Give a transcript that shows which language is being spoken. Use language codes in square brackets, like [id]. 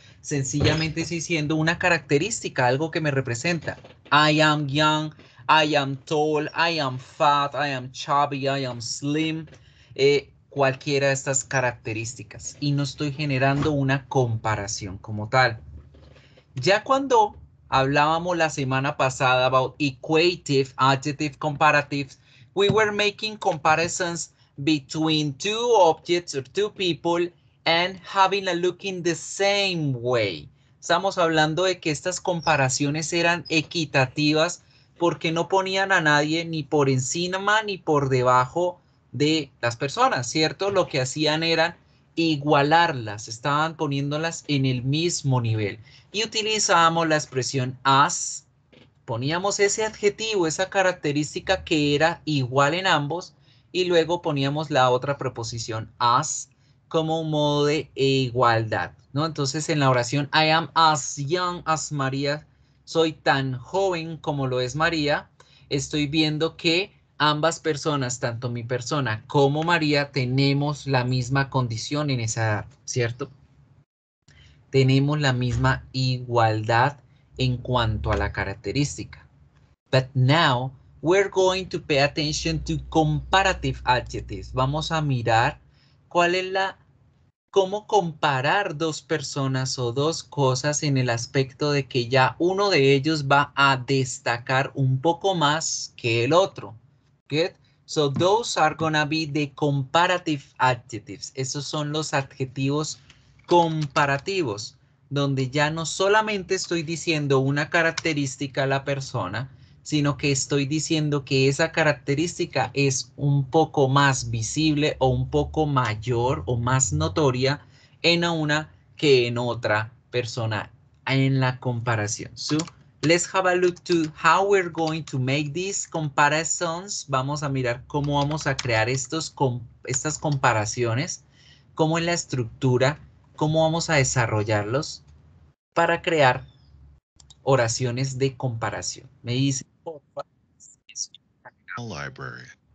[es] Sencillamente estoy siendo una característica, algo que me representa. [en] I am young, I am tall, I am fat, I am chubby, I am slim. [es] Cualquiera de estas características. Y no estoy generando una comparación como tal. Ya cuando hablábamos la semana pasada [en] about equative, adjective, comparatives, we were making comparisons between two objects or two people and having a look in the same way. [es] Estamos hablando de que estas comparaciones eran equitativas porque no ponían a nadie ni por encima ni por debajo de las personas, ¿cierto? Lo que hacían era igualarlas, estaban poniéndolas en el mismo nivel. Y utilizábamos la expresión as, poníamos ese adjetivo, esa característica que era igual en ambos, y luego poníamos la otra preposición as como un modo de igualdad, ¿no? Entonces, en la oración, [en] I am as young as María, [es] soy tan joven como lo es María, estoy viendo que ambas personas, tanto mi persona como María, tenemos la misma condición en esa edad, ¿cierto? Tenemos la misma igualdad en cuanto a la característica. [en] But now, we're going to pay attention to comparative adjectives. [es] Vamos a mirar cuál es la, cómo comparar dos personas o dos cosas en el aspecto de que ya uno de ellos va a destacar un poco más que el otro. [en] Good. So those are going to be the comparative adjectives. [es] Esos son los adjetivos comparativos, donde ya no solamente estoy diciendo una característica a la persona, sino que estoy diciendo que esa característica es un poco más visible o un poco mayor o más notoria en una que en otra persona en la comparación. [en] So, let's have a look to how we're going to make these comparisons. [es] Vamos a mirar cómo vamos a crear estas comparaciones, cómo es la estructura, cómo vamos a desarrollarlos para crear oraciones de comparación. Me dice, por favor, library.